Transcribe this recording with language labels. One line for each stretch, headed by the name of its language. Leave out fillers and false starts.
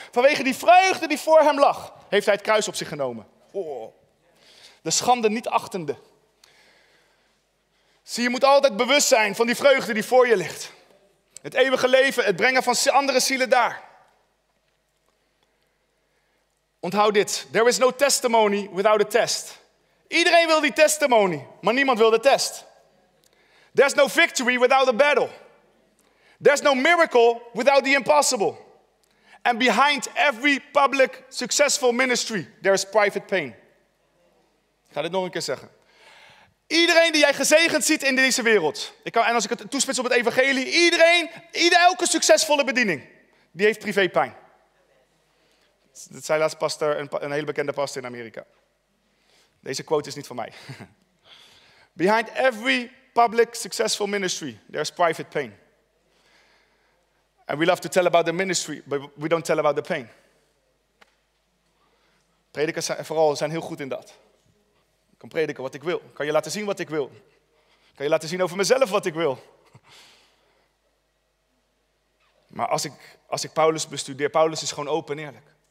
Dutch: Vanwege die vreugde die voor hem lag, heeft hij het kruis op zich genomen. Oh. De schande niet achtende. Zie, je moet altijd bewust zijn van die vreugde die voor je ligt. Het eeuwige leven, het brengen van andere zielen daar. Onthoud dit.
English: There is no testimony without a test.
Dutch: Iedereen wil die testimony, maar niemand wil de test.
English: There's no victory without a battle. There's no miracle without the impossible. And behind every public successful ministry, there is private pain.
Dutch: Ik ga dit nog een keer zeggen. iedereen die jij gezegend ziet in deze wereld. En als ik het toespits op het evangelie. Elke succesvolle bediening. Die heeft privépijn. Dat zei laatst pastor, een hele bekende pastor in Amerika. Deze quote is niet van mij.
English: Behind every public successful ministry, there's private pain. And we love to tell about the ministry, but we don't tell about the pain.
Dutch: Predikers zijn vooral heel goed in dat. Ik kan prediken wat ik wil. Ik kan je laten zien wat ik wil. Ik kan je laten zien over mezelf wat ik wil. Maar als ik Paulus bestudeer, Paulus is gewoon open en eerlijk.